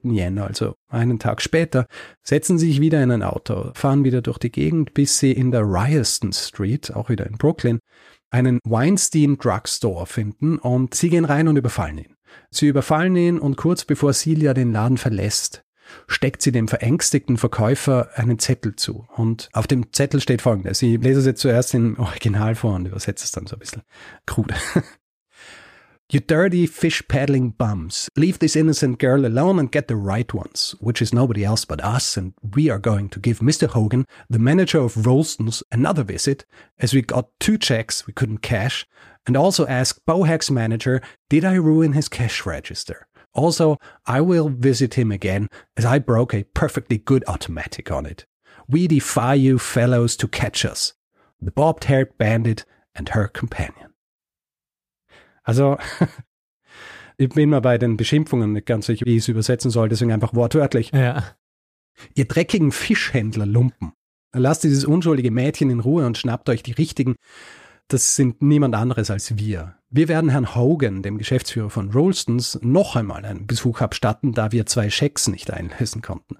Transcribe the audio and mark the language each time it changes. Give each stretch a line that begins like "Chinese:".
German: Jänner, also einen Tag später, setzen sie sich wieder in ein Auto, fahren wieder durch die Gegend, bis sie in der Ryerson Street, auch wieder in Brooklyn, einen Weinstein Drugstore finden und sie gehen rein und überfallen ihn. Sie überfallen ihn und kurz bevor Celia den Laden verlässt, steckt sie dem verängstigten Verkäufer einen Zettel zu. Und auf dem Zettel steht Folgendes. Ich lese es jetzt zuerst im Original vor und übersetze es dann so ein bisschen krude.
English: You dirty fish paddling bums. Leave this innocent girl alone and get the right ones, which is nobody else but us, and we are going to give Mr. Hogan, the manager of Rolston's, another visit, as we got two checks we couldn't cash, and also ask Bohack's manager, did I ruin his cash register? Also, I will visit him again, as I broke a perfectly good automatic on it. We defy you fellows to catch us. The Bobbed-Haired Bandit and her companion.
German: Also, ich bin mal bei den Beschimpfungen nicht ganz sicher, wie ich es übersetzen soll, deswegen einfach wortwörtlich. Ja. Ihr dreckigen Fischhändlerlumpen, lasst dieses unschuldige Mädchen in Ruhe und schnappt euch die richtigen. Das sind niemand anderes als wir. Wir werden Herrn Hogan, dem Geschäftsführer von Rolston's, noch einmal einen Besuch abstatten, da wir zwei Schecks nicht einlösen konnten.